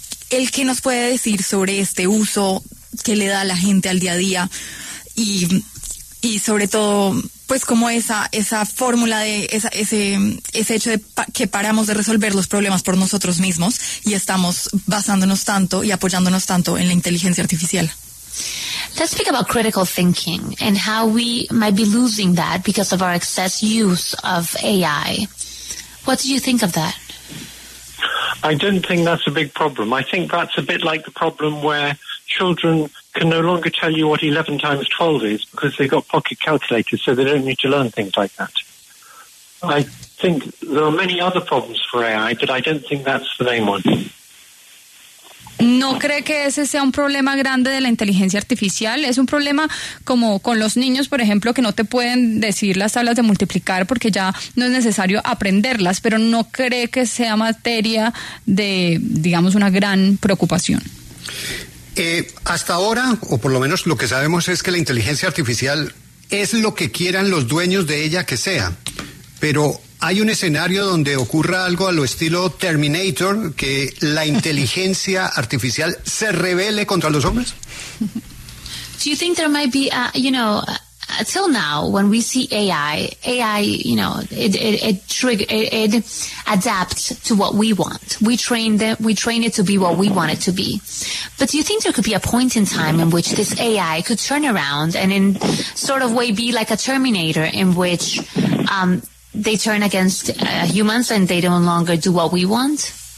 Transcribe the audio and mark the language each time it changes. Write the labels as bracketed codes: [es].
[es] ¿El qué nos puede decir sobre este uso que le da la gente al día a día y sobre todo pues como esa fórmula de ese hecho de que paramos de resolver los problemas por nosotros mismos y estamos basándonos tanto y apoyándonos tanto en la inteligencia artificial? [en] Let's speak about critical thinking and how we might be losing that because of our excess use of AI. What do you think of that? I don't think that's a big problem. I think that's a bit like the problem where children can no longer tell you what 11 times 12 is because they've got pocket calculators, so they don't need to learn things like that. I think there are many other problems for AI, but I don't think that's the main one. [es] ¿No cree que ese sea un problema grande de la inteligencia artificial? ¿Es un problema como con los niños, por ejemplo, que no te pueden decir las tablas de multiplicar porque ya no es necesario aprenderlas, pero no cree que sea materia de, digamos, una gran preocupación? Hasta ahora, o por lo menos lo que sabemos es que la inteligencia artificial es lo que quieran los dueños de ella que sea, pero hay un escenario donde ocurra algo a lo estilo Terminator, que la inteligencia artificial se rebele contra los hombres. [en] Do you think there might be, till now, when we see AI, you know, it adapts to what we want. We train it to be what we want it to be. But do you think there could be a point in time in which this AI could turn around and in sort of way be like a Terminator in which they turn against humans and they don't longer do what we want?